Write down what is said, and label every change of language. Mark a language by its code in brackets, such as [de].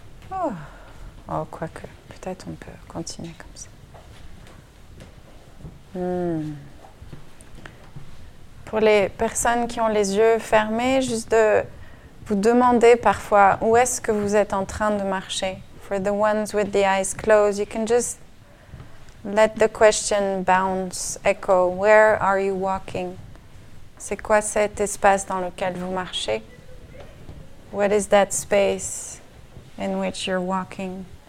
[fr] Oh, oh quoique, peut-être on peut continuer comme ça. Pour les personnes qui ont les yeux fermés, juste de vous demander parfois où est-ce que vous êtes en train de marcher. [en] For the ones with the eyes closed, you can just let the question bounce, echo. Where are you walking? [fr] C'est quoi cet espace dans lequel vous marchez? [en] What is that space in which you're walking?